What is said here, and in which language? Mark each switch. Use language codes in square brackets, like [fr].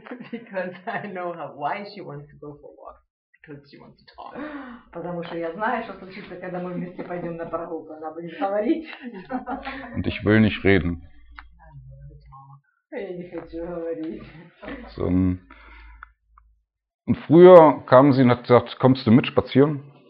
[en] Because I know how, why she wants to go for walk. Because she wants to talk. [ru] Потому что я знаю, что случится, когда мы вместе пойдем на прогулку. Она будет говорить. [de] Und ich will nicht reden. [ru] Я не хочу говорить. [de] So ein... Und früher kam sie und hat gesagt, kommst du mit spazieren?